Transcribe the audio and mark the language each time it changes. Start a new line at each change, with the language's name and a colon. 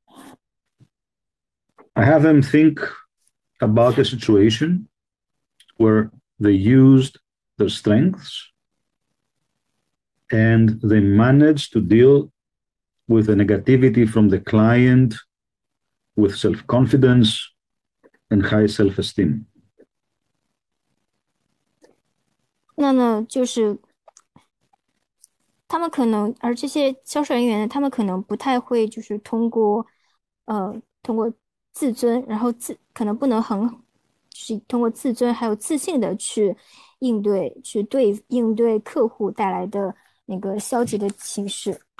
Chinese: 那对销售人员来说呢，有一个非常有最一个最大的挑战呢，就是说如何应对客户那个带来的负面情绪。
English: I have them think about a situation where they used their strengths and they managed to deal with the negativity from the client, with self-confidence and high self-esteem.
Chinese: 那么就是他们可能，而这些销售人员呢，他们可能不太会就是通过自尊，然后自可能不能很，是通过自尊还有自信的去应对，去对应对客户带来的那个消极的情绪。